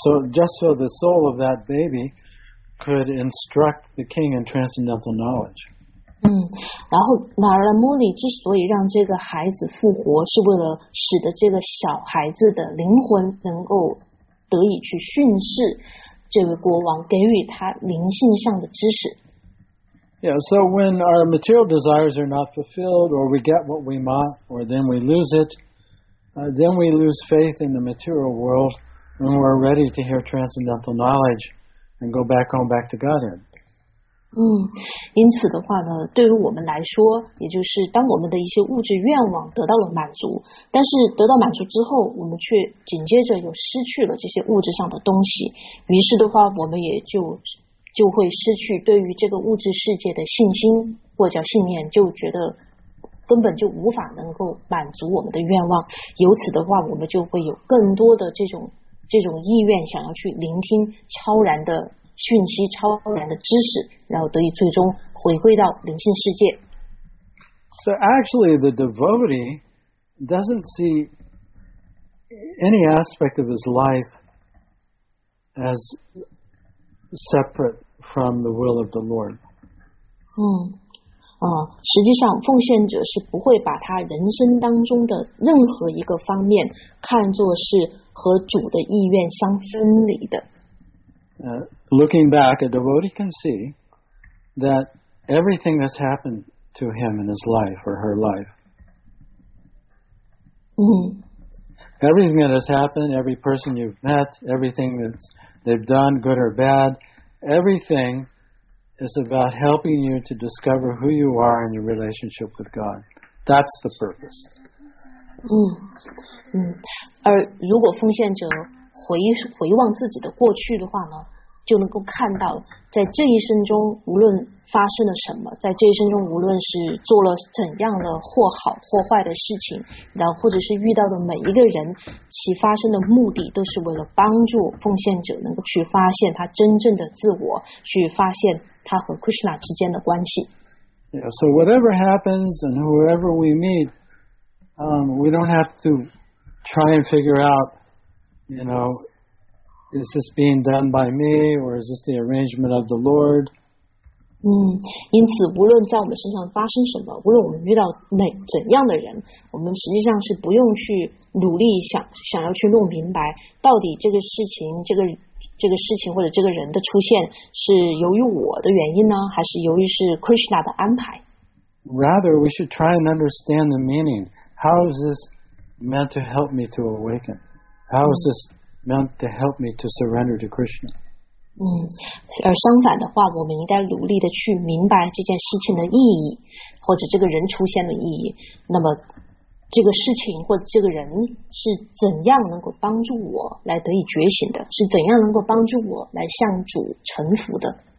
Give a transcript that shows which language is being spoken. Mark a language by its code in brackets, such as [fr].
[en] Just so the soul of that baby could instruct the king in transcendental knowledge. [zh] 然后 Narada Muni 之所以让这个孩子复活，是为了使得这个小孩子的灵魂能够得以去训示这位国王，给予他灵性上的知识。 [en] Yeah, so when our material desires are not fulfilled, or we get what we want, or then we lose it, then we lose faith in the material world, and we're ready to hear transcendental knowledge and go back home, back to Godhead. [zh] 因此的话呢，对于我们来说，也就是当我们的一些物质愿望得到了满足，但是得到满足之后，我们却紧接着又失去了这些物质上的东西，于是的话，我们也就会失去对于这个物质世界的信心，或者叫信念，就觉得根本就无法能够满足我们的愿望，由此的话，我们就会有更多的这种意愿想要去聆听超然的讯息，超然的知识，然后得以最终回归到灵性世界。 [en] So actually, the devotee doesn't see any aspect of his life as separate from the will of the Lord. [zh] 实际上奉献者是不会把他人生当中的任何一个方面看作是和主的意愿相分离的。 [en] Looking back, a devotee can see that everything that's happened to him in his life or her life, everything that has happened, every person you've met, everything that they've done, good or bad, everything is about helping you to discover who you are in your relationship with God. That's the purpose. [zh] 而如果奉献者回望自己的过去的话呢，就能够看到在这一生中无论发生了什么，在这一生中无论是做了怎样的或好或坏的事情，然后或者是遇到的每一个人，其发生的目的都是为了帮助奉献者能够去发现他真正的自我，去发现他和 Krishna 之间的关系。 [en] Yeah, so whatever happens and whoever we meet, we don't have to try and figure out, you know,is this being done by me, or is this the arrangement of the Lord? [zh] 因此无论在我们身上发生什么，无论我们遇到怎样的人，我们实际上是不用去努力想要去弄明白到底这个事情，这个事情或者这个人的出现是由于我的原因呢，还是由于是 Krishna 的安排。 [en] Rather, we should try and understand the meaning. How is this meant to help me to awaken? How is this meant to help me to surrender to Krishna. [zh] 而相反的话，我们应该努力的去明白这件事情的意义，或者这个人出现的意义。那么，这个事情或者这个人是怎样能够帮助我来得以觉醒的？是怎样能够帮助我来向主臣服的